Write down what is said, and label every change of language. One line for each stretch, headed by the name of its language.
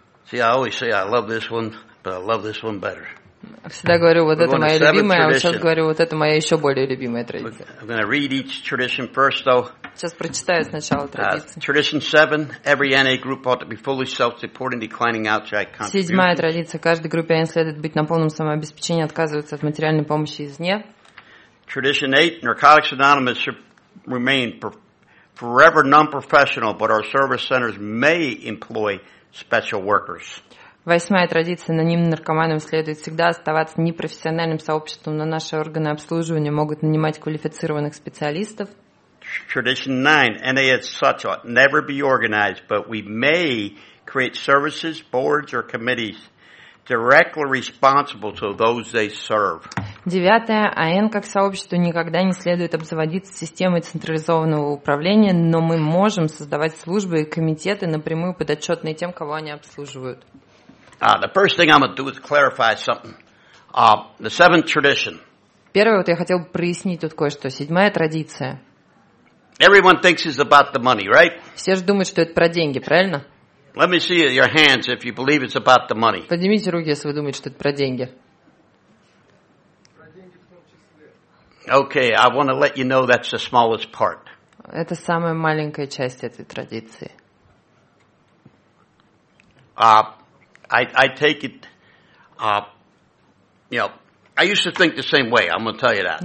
English: See, I always say I love this one, but I love this one better.
Russian: Всегда говорю, вот это моя любимая, а сейчас говорю, вот это моя еще более любимая традиция.
English: I'm going to read each tradition first, though.
Russian: Сейчас прочитаю сначала традицию.
English: Tradition 7, every NA group ought to be fully self-supporting, declining outside contributions.
Russian: Седьмая традиция, каждой группе NA следует быть на полном самообеспечении, отказываться от материальной помощи извне.
English: Tradition 8, Narcotics Anonymous should remain forever non-professional, but our service centers may employ special workers.
Russian: Восьмая традиция. Анонимным наркоманам следует всегда оставаться непрофессиональным сообществом, но наши органы обслуживания могут нанимать квалифицированных специалистов.
English: Tradition 9. NA as such ought never be organized, but we may create services, boards, or committees directly responsible to those they serve.
Russian: Девятое. АН как сообществу никогда не следует обзаводиться системой централизованного управления, но мы можем создавать службы и комитеты напрямую подотчетные тем, кого они обслуживают.
English: The first thing I'm going to do is clarify something. The seventh tradition.
Russian: Первое, вот я хотел бы прояснить тут кое-что. Седьмая традиция.
English: Everyone thinks it's about the money, right?
Russian: Все же думают, что это про деньги, правильно?
English: Let me see your hands if you believe it's about the money.
Russian: Поднимите руки, если вы думаете, что это про деньги.
English: Okay, I want to let you know that's the smallest part.
Russian: Это самая маленькая часть этой традиции.
English: I take it, I used to think the same way, I'm going to tell you that.